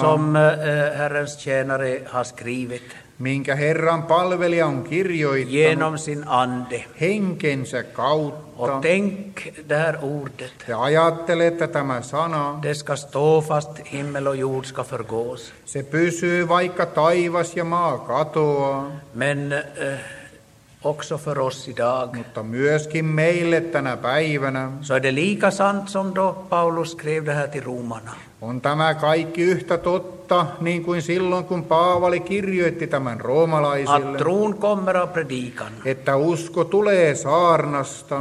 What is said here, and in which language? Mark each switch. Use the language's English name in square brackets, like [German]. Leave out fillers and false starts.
[Swedish] Som Herrens tjänare har skrivit. [Finnish] Minkä Herran palvelija on kirjoittanut. [Swedish] Genom sin ande. [Finnish] Henkensä kautta. [Swedish] Och tänk det här ordet. [Finnish] Ja ajattele, että tämä sana. [Swedish] Det ska stå fast, himmel och jord ska förgås. [Finnish] Se pysyy, vaikka taivas ja maa katoaa. [Swedish] Men också för oss idag. [Finnish] Mutta myöskin meille tänä päivänä. [Swedish] Så är det lika sant som då Paulus skrev det här till romarna. [Finnish] On tämä kaikki yhtä totta, niin kuin silloin, kun Paavali kirjoitti tämän roomalaisille. [Swedish] Att tron kommer av predikan. [Finnish] Että usko tulee saarnasta.